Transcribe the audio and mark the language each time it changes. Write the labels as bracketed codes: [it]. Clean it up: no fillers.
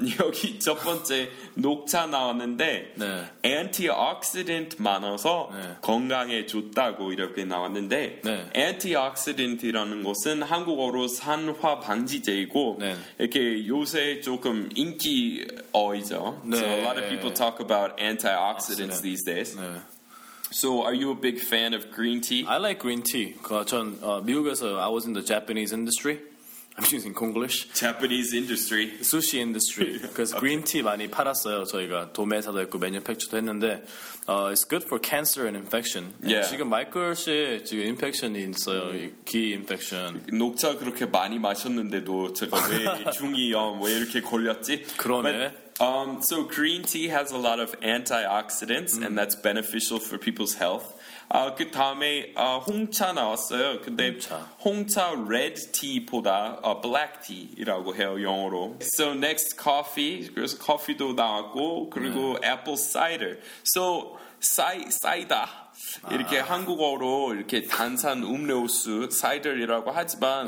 [ko] 여기 첫 번째 녹차 나왔는데 네. antioxidant 많아서 네. 건강에 좋다고 이렇게 나왔는데 네. antioxidant이라는 것은 한국어로 산화 방지제이고 네. 이렇게 요새 조금 인기어이죠. 네. [en] So a lot of people talk about antioxidants these days. [ko] 네. [en] So, are you a big fan of green tea? I like green tea. [ko] 전 미국에서 [en] I was in the Japanese industry. I'm using Konglish. Japanese industry. Sushi industry. Because okay. green tea [ko] 많이 팔았어요. 저희가 도매사도 했고 매뉴팩처도 했는데 [en] it's good for cancer and infection. Yeah. [ko] 지금 마이클 씨 지금 infection이 있어요. 귀 infection. 녹차 그렇게 많이 마셨는데도 제가 왜 중이염 왜 이렇게 걸렸지? 그러네. [en] But, so green tea has a lot of antioxidants, and that's beneficial for people's health. [ko] 그 다음에 홍차 나왔어요. 근데 홍차 red tea보다 black tea이라고 해요 영어로. [en] So next coffee, [ko] 그래서 커피도 나왔고 그리고 [en] apple cider. So cider. [ko] 이렇게 한국어로 이렇게 단산 음료수 cider이라고 하지만